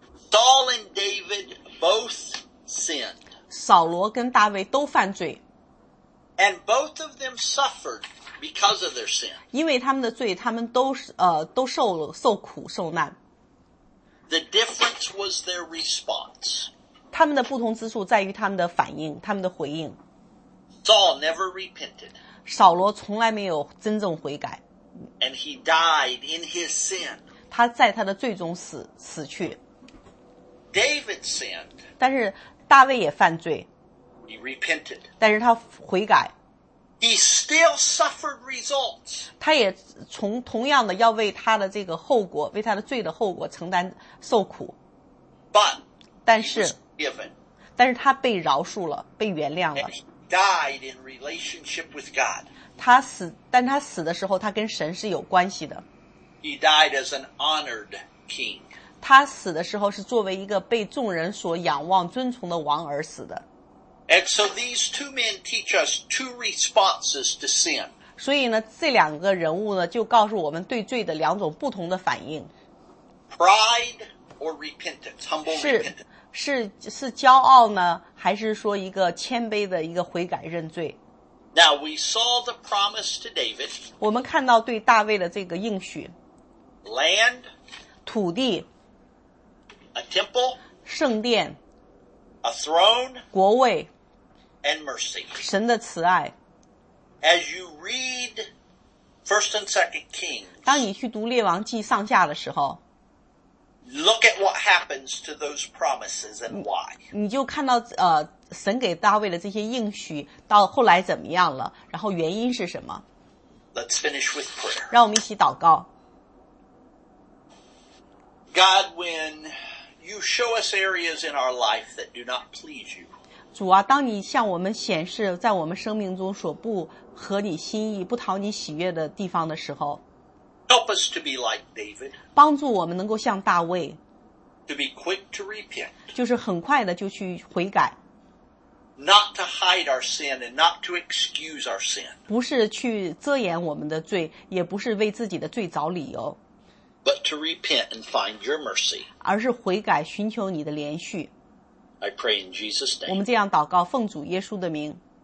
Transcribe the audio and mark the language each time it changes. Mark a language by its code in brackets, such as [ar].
[en] Saul and David both sinned. [zh] 扫罗跟大卫都犯罪。 [en] And both of them suffered because of their sin. [zh] 因为他们的罪，他们都受苦受难。 [en] The difference was their response. [zh] 他们的不同之处在于他们的反应，他们的回应。 [en] Saul never repented. [zh] 扫罗从来没有真正悔改。 [en] And he died in his sin. [zh] 他在他的罪中死去。 [en] David sinned. [zh] 但是大卫也犯罪。 [en] He repented. [zh] 但是他悔改。 [en] He still suffered results. [zh] 他也从同样的要为他的这个后果，为他的罪的后果承担受苦。 [en] But, [zh] 但是 [en] he was forgiven. [zh] 但是他被饶恕了，被原谅了。 [en] Died in relationship with God. [zh] 他死，但他死的时候，他跟神是有关系的。 [en] He died as an honored king. [zh] 他死的时候是作为一个被众人所仰望、尊崇的王而死的。 [en] And so these two men teach us two responses to sin. [zh] 所以呢，这两个人物呢，就告诉我们对罪的两种不同的反应。 [en] Pride or repentance, humble repentance. [zh] 是骄傲呢，还是说一个谦卑的一个悔改认罪？ [en] Now we saw the promise to David. [zh] 我们看到对大卫的这个应许。 [en] Land, [zh] 土地。 [en] A temple, [zh] 圣殿。 [en] A throne, [zh] 国位。 [en] And mercy, [zh] 神的慈爱。 [en] As you read First and Second Kings, [zh] 当你去读列王记上下的时候。 [en] Look at what happens to those promises and why. [zh] 你就看到神给大卫的这些应许到后来怎么样了，然后原因是什么。 [en] Let's finish with prayer. [zh] 让我们一起祷告。 [en] God, when you show us areas in our life that do not please you. [zh] 主啊，当你向我们显示在我们生命中所不合你心意、不讨你喜悦的地方的时候， [en] Help us to be like David. [zh] 帮助我们能够像大卫。 [en] To be quick to repent. [zh] 就是很快的就去悔改。 [en] Not to hide our sin and not to excuse our sin. [zh] 不是去遮掩我们的罪，也不是为自己的罪找理由。 [en] But to repent and find your mercy. [zh] 而是悔改，寻求你的怜恤。 [en] I pray in Jesus' name. [zh] 我们这样祷告，奉主耶稣的名。